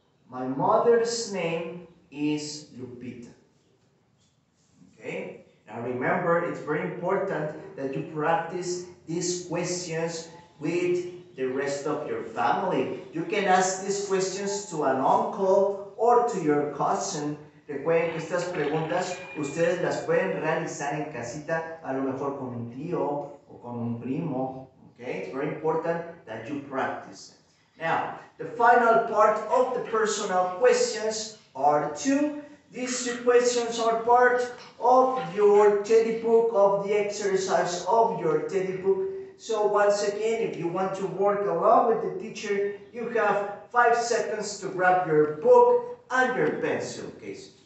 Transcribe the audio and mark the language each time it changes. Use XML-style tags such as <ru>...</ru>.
<en>My mother's name is Lupita. Okay? Now remember, it's very important that you practice these questions with the rest of your family. You can ask these questions to an uncle or to your cousin.</en> <es>Recuerden que estas preguntas ustedes las pueden realizar en casita, a lo mejor con un tío o con un primo.</es> <en>Okay? It's very important that you practice. Now, the final part of the personal questions are two. These two questions are part of your teddy book, of the exercise of your teddy book. So once again, if you want to work along with the teacher, you have 5 seconds to grab your book and your pencil case.</en>